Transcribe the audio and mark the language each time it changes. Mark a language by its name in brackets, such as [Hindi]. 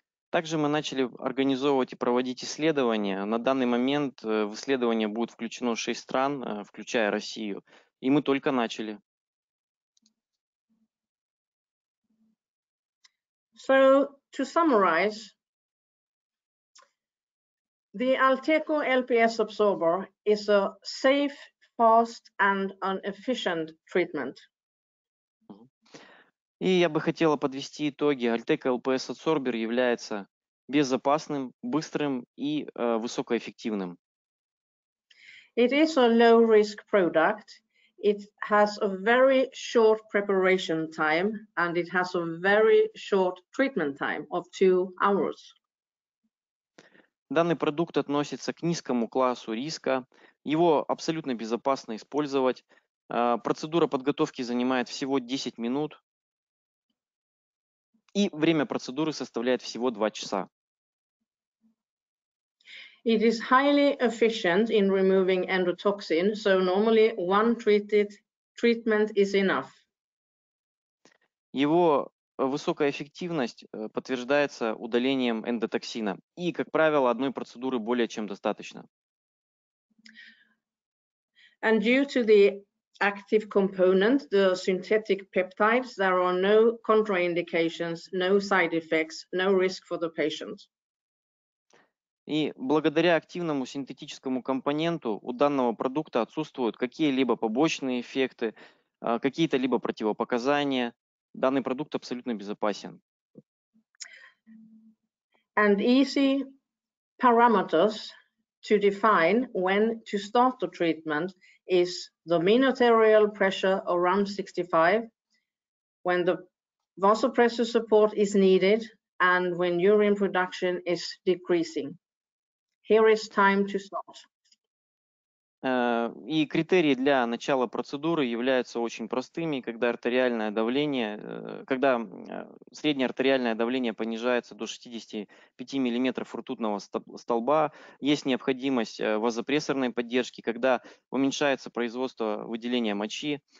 [Russian] Также мы начали организовывать и проводить исследования. На данный момент в исследование будет включено 6 стран, включая Россию. И мы только начали. [English] So, to summarize, the Alteco LPS absorber is a safe, fast and an efficient treatment. [Russian] И я бы хотела подвести итоги. Alteco LPS Absorber является безопасным, быстрым и высокоэффективным. [English] It is a low-risk product. It has a very short preparation time and it has a very short treatment time of 2 hours. [Russian] Данный продукт относится к низкому классу риска. Его абсолютно безопасно использовать. Процедура подготовки занимает всего 10 минут. И время процедуры составляет всего 2 часа. [English] It is highly efficient in removing endotoxin, so normally one treatment is enough. [Russian] Его высокая эффективность подтверждается удалением эндотоксина. И, как правило, одной процедуры более чем достаточно. [English] And due to the active component, the synthetic peptides, there are no contraindications, no side effects, no risk for the patient. [Russian] И благодаря активному синтетическому компоненту у данного продукта отсутствуют какие-либо побочные эффекты, какие-то либо противопоказания. Данный продукт абсолютно безопасен. [English] And easy parameters to define when to start the treatment is the mean arterial pressure around 65, when the vasopressor support is needed and when urine production is decreasing. Here is time to start. [Russian] И критерии для начала процедуры являются очень простыми, когда артериальное давление, когда среднее артериальное давление понижается до 65 миллиметров ртутного столба, есть необходимость вазопрессорной поддержки, когда уменьшается производство выделения мочи.